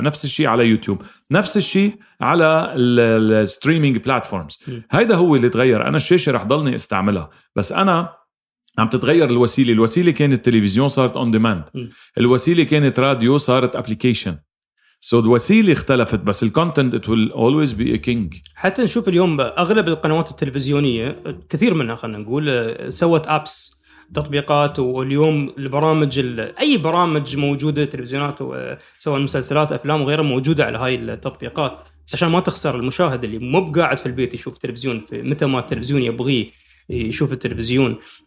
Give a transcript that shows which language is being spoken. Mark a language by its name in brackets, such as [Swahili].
[Arabic] نفس الشيء على يوتيوب، نفس الشيء على الستريمينج بلاتفورمز. هيدا هو اللي تغير، أنا الشاشة رح ضلني استعملها، بس أنا عم تتغير الوسيلة. الوسيلة كانت التلفزيون صارت [English] on demand. [Arabic] الوسيلة كانت راديو صارت application. [English] So [Arabic] الوسيلة اختلفت بس الكونتنت [English] it will always be a king. [Arabic] حتى نشوف اليوم أغلب القنوات التلفزيونية كثير منها خلنا نقول سوت apps تطبيقات, واليوم البرامج أي برامج موجودة تلفزيونات سواء مسلسلات أفلام وغيرها موجودة على هاي التطبيقات عشان ما تخسر المشاهد اللي مو بقاعد في البيت يشوف تلفزيون في متى ما التلفزيون يبغيه يشوف التلفزيون.